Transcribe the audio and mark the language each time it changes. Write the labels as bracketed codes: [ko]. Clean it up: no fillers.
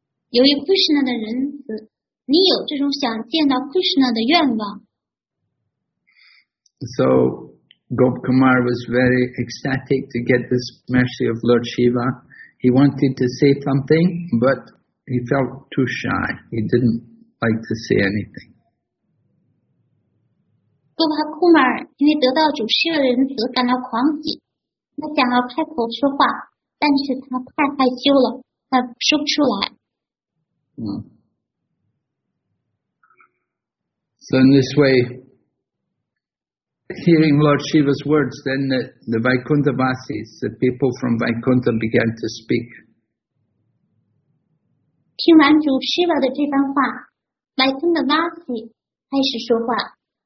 [zh] 由于 Krishna 的仁慈，你有这种想见到 Krishna 的愿望。 [en] So Gop Kumar was very ecstatic to get this mercy of Lord Shiva. He wanted to say something, but he felt too shy. He didn't like to say anything. [zh] 哥巴库马尔因为得到主释的仁慈感到狂喜，他想要开口说话，但是他太害羞了，他说不出来。 [en] So in this way, hearing Lord Shiva's words, then the Vaikuntha Vasis, the people from Vaikuntha began to speak. [zh] 听完主释的这番话，麦昆的瓦西开始说话。